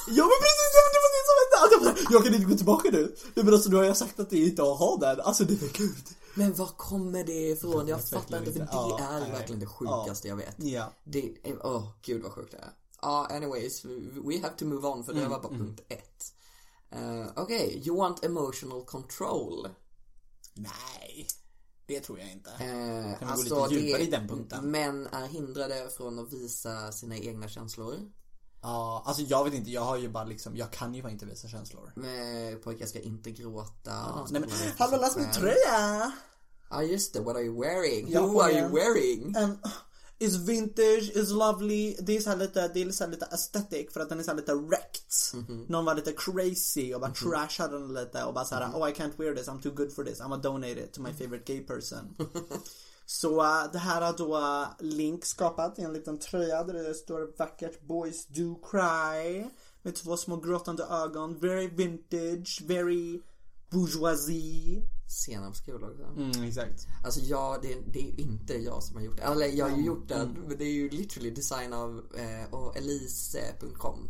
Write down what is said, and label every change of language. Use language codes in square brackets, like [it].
[sv] Ja men precis, jag vet inte. Jag kan inte gå tillbaka nu. Men alltså, nu har jag sagt att det är inte att ha den. Alltså det är gud. Men var kommer det ifrån? Jag fattar inte, för det är verkligen det sjukaste jag vet. Det är, åh gud vad sjukt det är. [en] Anyways, we have to move on, [sv] för det var bara punkt ett. Okej, okay. [en] You want emotional control? [sv] Nej, det tror jag inte. Alltså gå lite djupare det, i den punkten. Män är hindrade från att visa sina egna känslor. Ja, alltså jag vet inte, jag har ju bara liksom, jag kan ju bara inte visa känslor. Men pojkar ska inte gråta. Nej men, hallå, läs min tröja. Ja just det, [en] what are you wearing? Who are you wearing? It's vintage, it's lovely. [sv] Det är så här lite, det är så här lite aesthetic, för att den är så här lite wrecked. Någon var lite crazy och bara trashade den lite. Och bara så här, [en] oh I can't wear this, I'm too good for this, I'm gonna donate it to my favorite gay person. [sv] Så det här har då Link skapat en liten tröja där det står vackert Boys Do Cry med två små gråtande ögon. [en] Very vintage, very bourgeoisie. [sv] senapskul också. Mm, exakt. Alltså ja, det är inte jag som har gjort det. Eller jag har ju gjort det, men det är ju literally design av Elise.com.